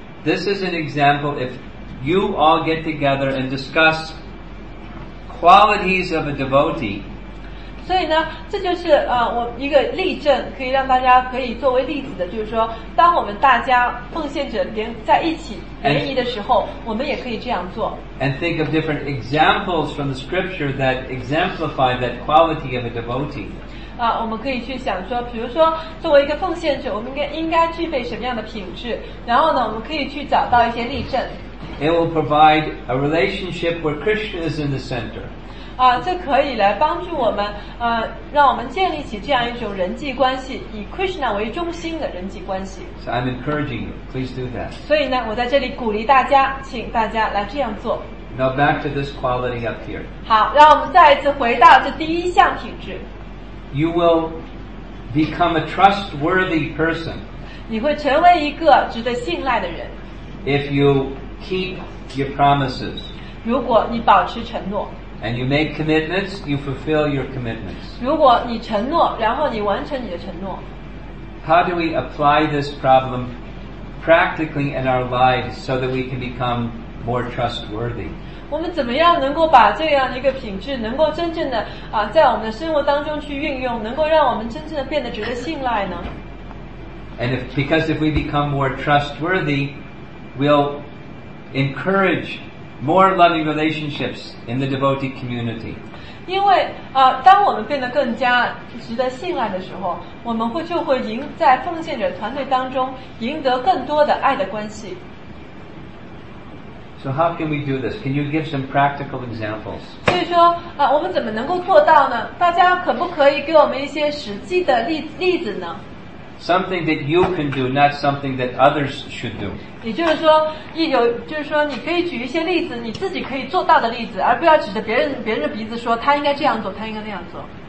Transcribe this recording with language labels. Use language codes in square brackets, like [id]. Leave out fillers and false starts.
[en] This is an example. If you all get together and discuss qualities of a devotee. [zh] 所以呢，这就是我一个例证，可以让大家可以作为例子的，就是说，当我们大家奉献者连在一起联谊的时候，我们也可以这样做。 [en] And think of different examples from the scripture that exemplify that quality of a devotee. [zh] 我们可以去想说，比如说，作为一个奉献者，我们应该具备什么样的品质？然后呢，我们可以去找到一些例证。 [en] It will provide a relationship where Krishna is in the center. [zh] 这可以来帮助我们，让我们建立起这样一种人际关系，以 Krishna 为中心的人际关系。 [en] So I'm encouraging you, please do that. [zh] 所以呢，我在这里鼓励大家，请大家来这样做。 [en] Now back to this quality up here. [zh] 好，让我们再一次回到这第一项品质。 [en] You will become a trustworthy person. [zh] 你会成为一个值得信赖的人。 [en] If you keep your promises, [zh] 如果你保持承诺。 [en] And you make commitments, you fulfill your commitments. [zh] 如果你承诺，然后你完成你的承诺。 [en] How do we apply this problem practically in our lives so that we can become more trustworthy? [zh] 我们怎么样能够把这样一个品质能够真正的在我们的生活当中去运用，能够让我们真正的变得值得信赖呢？ [en] And because if we become more trustworthy, we'll encourage more loving relationships in the devotee community. [zh] 因为当我们变得更加值得信赖的时候，我们就会赢在奉献者团队当中赢得更多的爱的关系。 [en] So how can we do this? Can you give some practical examples? [zh] 所以说我们怎么能够做到呢？大家可不可以给我们一些实际的例子呢？ [en] Something that you can do, not something that others should do. [zh] 也就是说，你可以举一些例子，你自己可以做到的例子，而不要指着别人的鼻子说他应该这样做，他应该那样做。